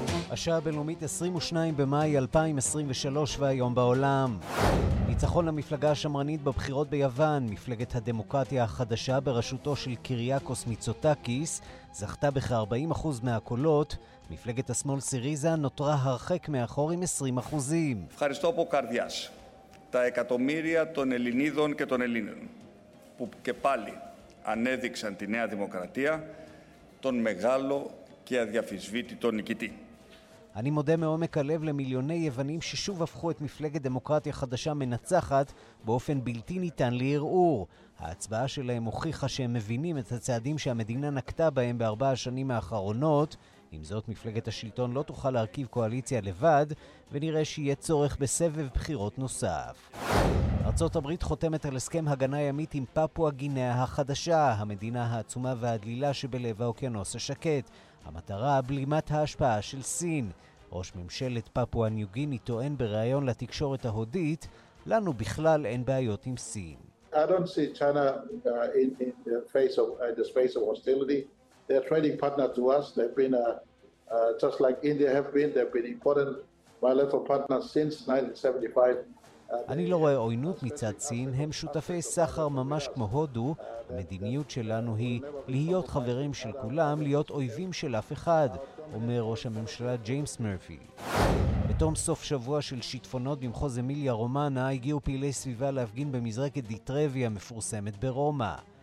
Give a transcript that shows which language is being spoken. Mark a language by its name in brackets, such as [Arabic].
[Hebrew] השעה הבינלאומית 22 במאי 2023 והיום בעולם. ניצחון למפלגה השמרנית בבחירות ביוון, מפלגת הדמוקרטיה החדשה בראשותו של קיריאקוס מיצוטאקיס, זכתה בכ-40% מהקולות, מפלגת השמאל סיריזה נותרה הרחק מאחור עם 20%. [Greek] ευχαριστώ από καρδιάς τα εκατομμύρια των Ελληνίδων και των Ελλήνων που και πάλι ανέδειξαν τη νέα δημοκρατία τον μεγάλο και αδιαφυσβήτητο νικητή. [Hebrew] אני מודה מעומק הלב למיליוני יוונים ששוב הפכו את מפלגת דמוקרטיה חדשה מנצחת באופן בלתי ניתן לערעור. ההצבעה שלהם הוכיחה שהם מבינים את הצעדים שהמדינה נקטה בהם בארבע השנים האחרונות. עם זאת, מפלגת השלטון לא תוכל להרכיב קואליציה לבד, ונראה שיהיה צורך בסבב בחירות נוסף. ארצות הברית חותמת על הסכם הגנה ימית עם פפואה גינאה החדשה, המדינה העצומה והדלילה שבלב האוקיינוס השקט. המטרה, בלימת ההשפעה של סין. ראש ממשלת פפואה ניו גיני טוען בריאיון לתקשורת ההודית, לנו בכלל אין בעיות עם סין. [English] I don't see China in the face of hostility. They're trading partner to us. They've been just like India have been. They've been important bilateral partners since 1975. [Hebrew] אני לא רואה עוינות מצד סין, הם שותפי סחר ממש כמו הודו. המדיניות שלנו היא להיות חברים של כולם, להיות אויבים של אף אחד, אומר ראש הממשלה ג'יימס מרפי. בתום סוף שבוע של שיטפונות במחוז אמיליה רומנה, הגיעו פעילי סביבה להפגין במזרקת דיטרבי המפורסמת ברומא.